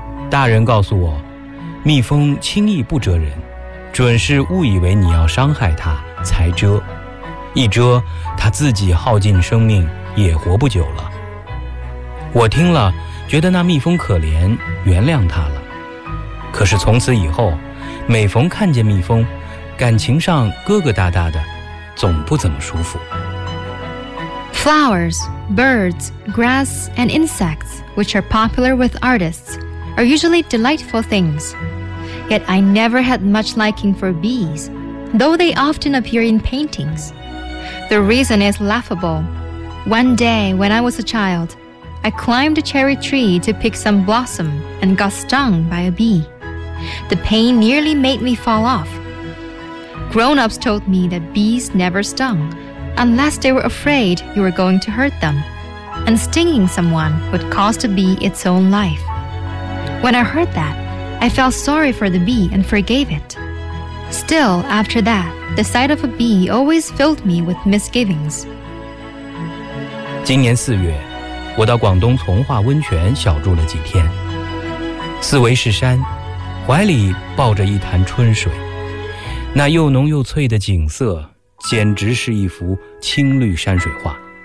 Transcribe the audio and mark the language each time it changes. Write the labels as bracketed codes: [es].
[zh] 大人告诉我，蜜蜂轻易不蛰人，准是误以为你要伤害它才蛰，一蛰它自己耗尽生命也活不久了。我听了觉得那蜜蜂可怜，原谅它了。可是从此以后，每逢看见蜜蜂，感情上疙疙瘩瘩的，总不怎么舒服。 [en] Flowers, birds, grass, and insects, which are popular with artists, are usually delightful things. Yet I never had much liking for bees, though they often appear in paintings. The reason is laughable. One day, when I was a child, I climbed a cherry tree to pick some blossom and got stung by a bee. The pain nearly made me fall off. Grown-ups told me that bees never stung. Unless they were afraid you were going to hurt them, and stinging someone would cost a bee its own life. When I heard that, I felt sorry for the bee and forgave it. Still, after that, the sight of a bee always filled me with misgivings. [zh] 今年四月，我到广东从化温泉小住了几天。四围是山，怀里抱着一潭春水，那又浓又翠的景色简直是一幅青绿山水画。